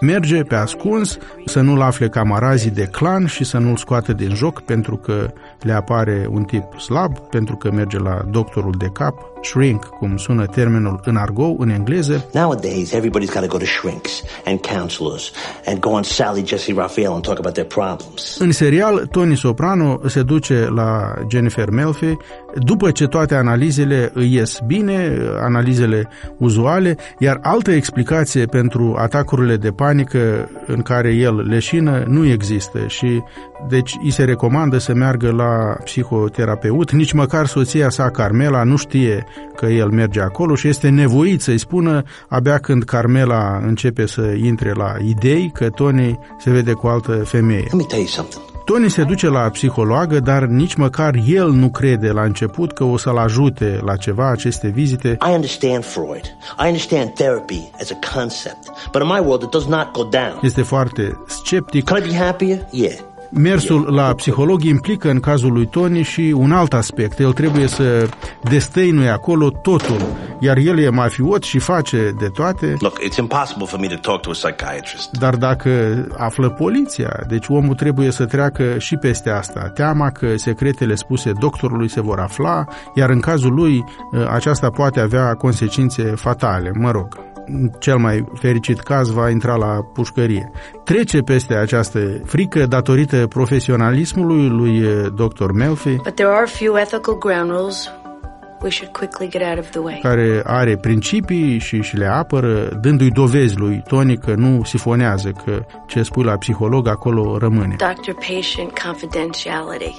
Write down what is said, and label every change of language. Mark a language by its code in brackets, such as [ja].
[ro] Merge pe ascuns să nu-l afle camarazii de clan și să nu-l scoată din joc pentru că le apare un tip slab, pentru că merge la doctorul de cap, shrink, cum sună termenul în argou, în engleză. [en] Nowadays, everybody's got to go to shrinks and counselors and go on Sally, Jesse, Raphael and talk about their problems. [ro] În serial, Tony Soprano se duce la Jennifer Melfi după ce toate analizele îi ies bine, analizele uzuale, iar altă explicație pentru atacurile de panică în care el leșină nu există și deci îi se recomandă să meargă la psihoterapeut. Nici măcar soția sa, Carmela, nu știe că el merge acolo și este nevoit să-i spună abia când Carmela începe să intre la idei că Tony se vede cu altă femeie. [en] Let me tell you something. [ro] Tony se duce la psihologă, dar nici măcar el nu crede la început că o să-l ajute la ceva aceste vizite. [en] I understand Freud. I understand therapy as a concept. But in my world it does not go down. [ro] Este foarte sceptic. [en] Could I be happier? Yeah. [ro] Mersul la psiholog implică în cazul lui Tony și un alt aspect. El trebuie să destăinuie acolo totul, iar el e mafiot și face de toate. [en] Look, it's impossible for me to talk to a psychiatrist. [ro] Dar dacă află poliția, deci omul trebuie să treacă și peste asta. Teama că secretele spuse doctorului se vor afla, iar în cazul lui aceasta poate avea consecințe fatale, mă rog. Cel mai fericit caz va intra la pușcărie. Trece peste această frică datorită profesionalismului lui Dr. Melfi. [en] But there are a few ethical ground rules we should quickly get out of the way. [ro] Care are principii și le apără, dându-i dovezi lui Tony că nu sifonează, că ce spui la psiholog acolo rămâne. [en] Doctor-patient confidentiality.